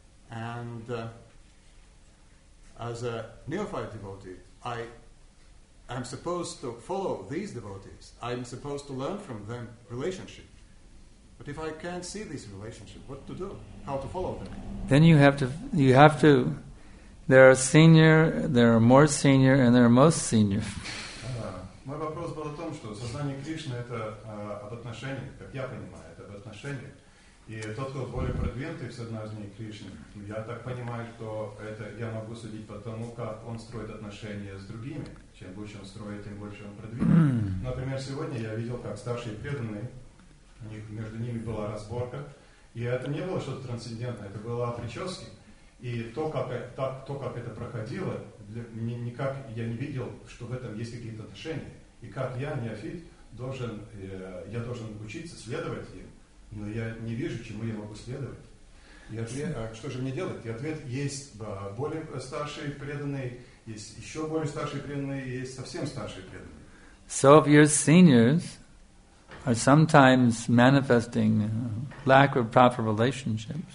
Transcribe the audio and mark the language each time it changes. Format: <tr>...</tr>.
<en>And as a neophyte devotee, I am supposed to follow these devotees. I'm supposed to learn from them relationship. But if I can't see this relationship, what to do? How to follow them? Then you have to. There are senior, there are more senior, and there are most senior.</en> <ru>Мой вопрос был о том, что сознание Кришны это об отношениях, как я понимаю, это об отношениях. И тот, кто более продвинутый в сознании Кришны, я так понимаю, что это я могу судить по тому, как он строит отношения с другими. Чем больше он строит, тем больше он продвинутый. Например, сегодня я видел, как старшие преданные, у них между ними была разборка, и это не было что-то трансцендентное, это было о прическе. И то, как это проходило, никак я не видел, что в этом есть какие-то отношения. И как я, неофит, должен учиться следовать им, но я не вижу, чему я могу следовать. И ответ, а что же мне делать? И ответ, есть более старшие преданные, есть еще более старшие преданные, есть совсем старшие преданные.</ru> <en>So if your seniors are sometimes manifesting lack of proper relationships,</en>